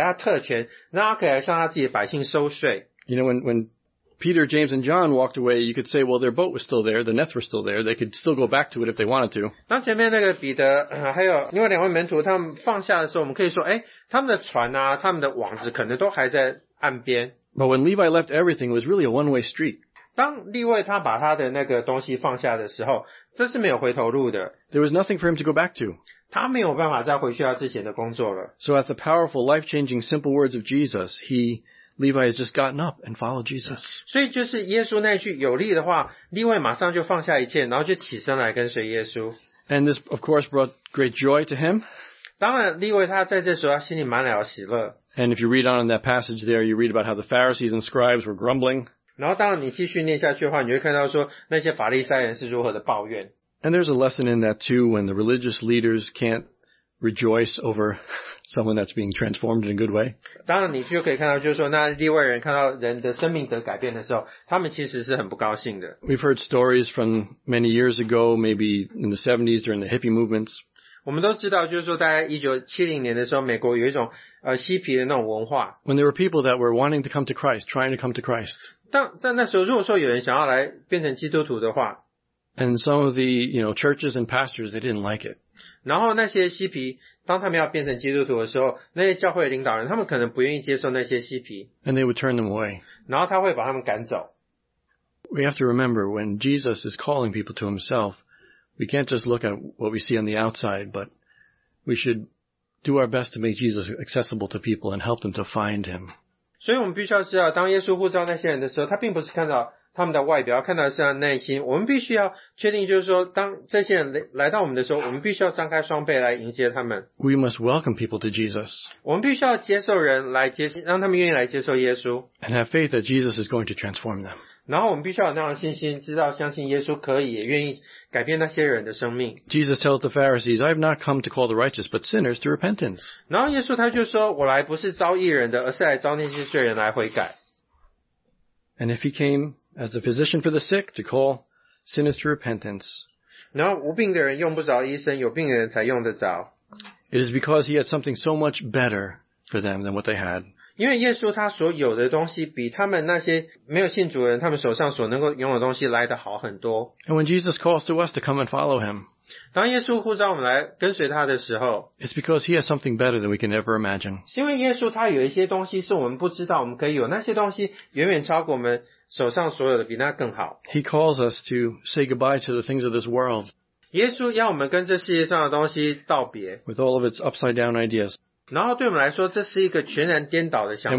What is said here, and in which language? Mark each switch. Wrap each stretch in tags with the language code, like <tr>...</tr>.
<zh>然后还有另外他所放下,很可能就是罗马政府给他特权,让他可以向他自己的百姓收税。</zh> <en>You know, when Peter, James, and John walked away, you could say, well, their boat was still there, the nets were still there, they could still go back to it if they wanted to.</en> <zh>当前面那个彼得,还有另外两位门徒,他们放下的时候,我们可以说,他们的船啊,他们的网子可能都还在岸边。</zh> <en>But when Levi left everything, it was really a one-way street.</en> <zh>当利未他把他的那个东西放下的时候,这是没有回头路的。</zh> <en>There was nothing for him to go back to.</en> <zh>他没有办法再回去他之前的工作了。</zh> <en>So at the powerful, life-changing, simple words of Jesus, Levi has just gotten up and followed Jesus.</en> <zh>所以就是耶稣那句有力的话,利未马上就放下一切,然后就起身来跟随耶稣。</zh> <en>And this, of course, brought great joy to him.</en> <zh>当然，利未他在这时候，他心里满了喜乐。</zh> <en>And if you read on in that passage there, you read about how the Pharisees and scribes were grumbling.</en> <zh>然后当然你继续念下去的话，你会看到说那些法利赛人是如何的抱怨。</zh> <en>And there's a lesson in that too, when the religious leaders can't rejoice over someone that's being transformed in a good way.</en> <zh>当然你就可以看到就是说那利未人看到人的生命得改变的时候，他们其实是很不高兴的。</zh> <en>We've heard stories from many years ago, maybe in the 70s during the hippie movements.</en> <zh>我们都知道就是说大概1970年的时候美国有一种嬉皮的那种文化。</zh> <en>When there were people that were wanting to come to Christ, trying to come to Christ.</en> <zh>但那时候如果说有人想要来变成基督徒的话。</zh> <en>And some of the, you know, churches and pastors, they didn't like it.</en> <zh>然后那些嬉皮当他们要变成基督徒的时候那些教会领导人他们可能不愿意接受那些嬉皮。</zh> <en>And they would turn them away.</en> <zh>然后他会把他们赶走。</zh> <en>We have to remember when Jesus is calling people to himself,We can't just look at what we see on the outside, but we should do our best to make Jesus accessible to people and help them to find him.</en> <zh>所以我们必须要知道，当耶稣呼召那些人的时候，他并不是看到他们的外表，看到的是他们的内心。我们必须要确定，就是说，当这些人来到我们的时候，我们必须要张开双臂来迎接他们。</zh> <en>We must welcome people to Jesus.</en> <zh>我们必须要接受人来接，让他们愿意来接受耶稣。</zh> <en>And have faith that Jesus is going to transform them.</en> <zh>然后我们必须要有那样的信心，知道相信耶稣可以，也愿意改变那些人的生命。</zh> <en>Jesus tells the Pharisees, "I have not come to call the righteous, but sinners to repentance."</en> <zh>然后耶稣他就说，我来不是招义人的，而是来招那些罪人来悔改。</zh> <en>And if he came as the physician for the sick to call sinners to repentance,</en> <zh>然后无病的人用不着医生，有病的人才用得着。</zh> <en>It is because he had something so much better for them than what they had.</en> <zh>因为耶稣他所有的东西比他们那些没有信主的人他们手上所能够拥有的东西来得好很多。</zh> <en>And when Jesus calls to us to come and follow him,</en> <zh>当耶稣呼召我们来跟随他的时候</zh> <en>It's because he has something better than we can ever imagine.</en> <zh>是因为耶稣他有一些东西是我们不知道我们可以有那些东西远远超过我们手上所有的比那更好。</zh> <en>He calls us to say goodbye to the things of this world.</en> <zh>耶稣要我们跟这世界上的东西道别。</zh> <en>With all of its upside down ideas.</en> <zh>然后对我们来说，这是一个全然颠倒的想法。</zh>